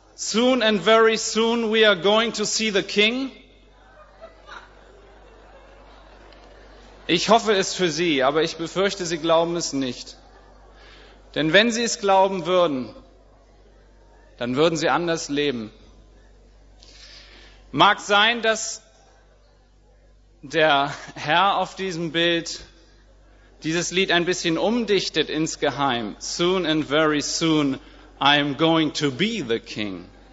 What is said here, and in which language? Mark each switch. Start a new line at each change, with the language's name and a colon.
English: Soon and very soon we are going to see the King.
German: Ich hoffe es für sie, aber ich befürchte, sie glauben es nicht. Denn wenn sie es glauben würden, dann würden sie anders leben. Mag sein, dass der Herr auf diesem Bild dieses Lied ein bisschen umdichtet insgeheim.
English: Soon and very soon I'm going to be the King.